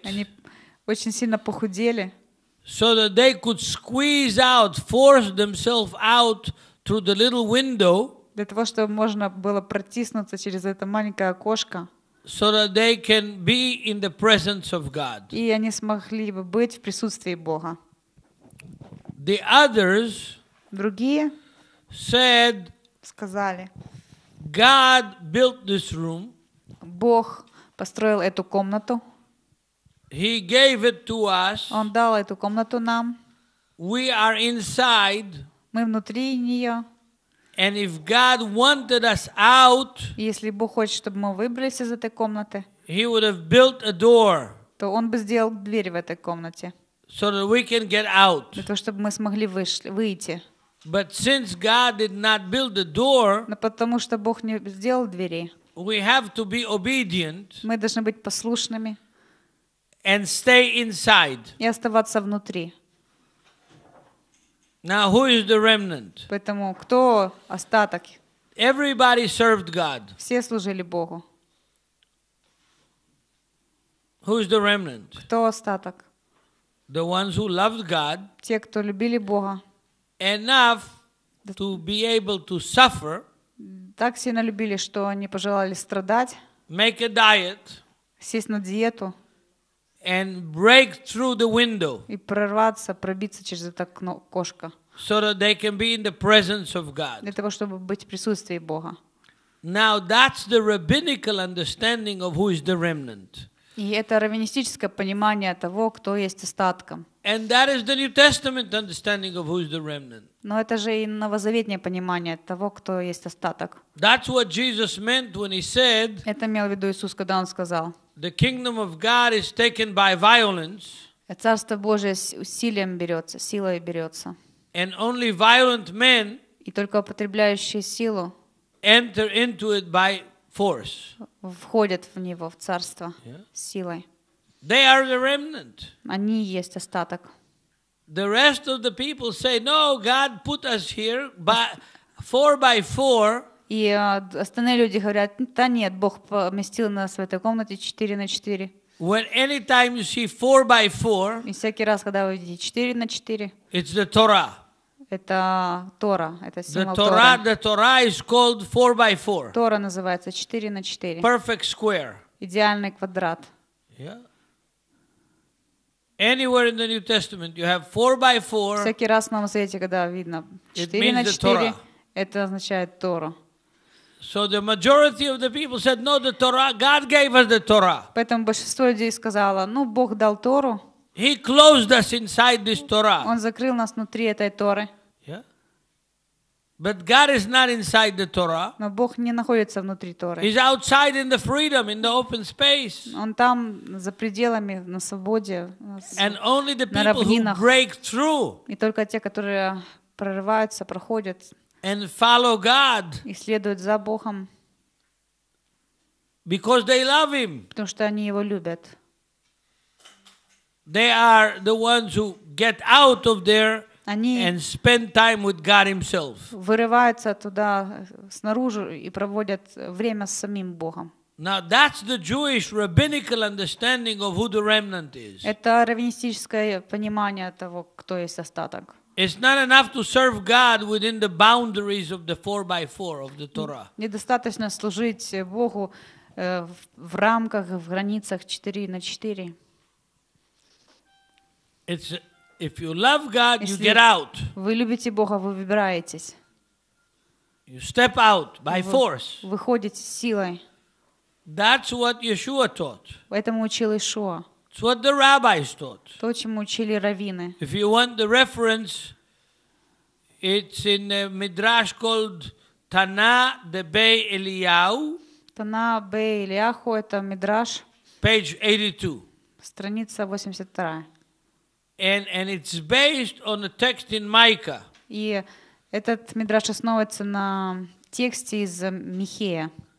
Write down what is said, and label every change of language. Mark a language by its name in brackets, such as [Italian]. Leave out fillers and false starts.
[Russian] Они очень сильно похудели. [English] So that they could squeeze out, force themselves out through the little window. [Russian] Для того, чтобы можно было протиснуться через это маленькое окошко. [English] So that they can be in the presence of God. [Russian] И они смогли бы быть в присутствии Бога. [English] The others. [Russian] Другие. [English] Said, [Russian] сказали, [English] God built this room. [Russian] Бог построил эту комнату. [English] He gave it to us. [Russian] Он дал эту комнату нам. [English] We are inside. [Russian] Мы внутри нее. [English] And if God wanted us out, [Russian] если Бог хочет, чтобы мы выбрались из этой комнаты, [English] He would have built a door. [Russian] То он бы сделал дверь в этой комнате. [English] So that we can get out. [Russian] Для того, чтобы мы смогли выйти. [English] But since God did not build the door, [Russian] но потому что Бог не сделал двери, [English] we have to be obedient, [Russian] мы должны быть послушными, [English] and stay inside, [Russian] и оставаться внутри. [English] Now who is the remnant? [Russian] Поэтому кто остаток? [English] Everybody served God. [Russian] Все служили Богу. [English] Who is the remnant? [Russian] Кто остаток? [English] The ones who loved God. [Russian] Те, кто любили Бога. [English] Enough to be able to suffer. [Russian] Так сильно любили, что они пожелали страдать. [English] Make a diet. [Russian] Сесть на диету. [English] And break through the window. [Russian] И прорваться, пробиться через это окно, окошко. [English] So that they can be in the presence of God. [Russian] Для того, чтобы быть в присутствии Бога. [English] Now that's the rabbinical understanding of who is the remnant. [Russian] И это раввинистическое понимание того, кто есть остатком. [English] And that is the New Testament understanding of who is the remnant. [Russian] Но это же и новозаветное понимание того, кто есть остаток. [English] That's what Jesus meant when he said. [Russian] Это имел в виду Иисус, когда он сказал. [English] The kingdom of God is taken by violence. [Russian] Царство Божие усилием берется, силой берется. [English] And only violent men. [Russian] И только употребляющие силу. [English] Enter into it by force. [Russian] Входят в него, в царство, силой. [English] They are the remnant. [Russian] Они есть остаток. [English] The rest of the people say, "No, God put us here by Four by four. [Russian] И остальные люди говорят: да нет, Бог поместил нас в этой комнате 4 на 4. [English] When anytime you see 4 by 4, [Russian] и всякий раз, когда вы видите 4 на 4, [English] it's the Torah. [Russian] Это Тора, это символ Торы. [English] The Torah is called 4 by 4. [Russian] Тора называется 4 на 4. [English] Perfect square. [Russian] Идеальный квадрат. [English] Yeah. Anywhere in the New Testament you have 4 by 4. [Russian] Всякий раз на свете, когда видно 4 на 4, это означает Тору. [English] So the majority of the people said, "No, the Torah. God gave us the Torah." [Russian] Поэтому большинство людей сказала: "Ну, Бог дал Тору." [English] He closed us inside this Torah. [Russian] Он закрыл нас внутри этой Торы. [English] Yeah. But God is not inside the Torah. [Russian] Но Бог не находится внутри Торы. [English] He's outside in the freedom, in the open space. [Russian] Он там за пределами, на свободе. [English] And only the people who break through. [Russian] И только те, которые прорываются, проходят. [English] And follow God. [Russian] И следуют за Богом. [English] Because they love Him. [Russian] Потому что они его любят. [English] They are the ones who get out of there and spend time with God Himself. [Russian] Вырываются туда снаружи и проводят время с самим Богом. [English] Now that's the Jewish rabbinical understanding of who the remnant is. [Russian] Это раввинистическое понимание того, кто есть остаток. [English] It's not enough to serve God within the boundaries of the 4 by 4 of the Torah. [Russian] Недостаточно служить Богу в рамках, в границах 4 на 4. [English] It's if you love God, you get out. [Russian] Вы любите Бога, вы выбираетесь. [English] You step out by force. [Russian] Выходите силой. [English] That's what Yeshua taught. [Russian] Поэтому учил Иешуа. [English] It's what the rabbis taught. [Russian] То, чему учили раввины. [English] If you want the reference, it's in a midrash called Tana Debei Eliyahu. [Russian] Tana Bei Eliyahu, это мидраш. [English] Page 82. [Russian] Страница 82. [English] And it's based on a text in Micah. [Russian] И этот мидраш основывается на тексте из Михея.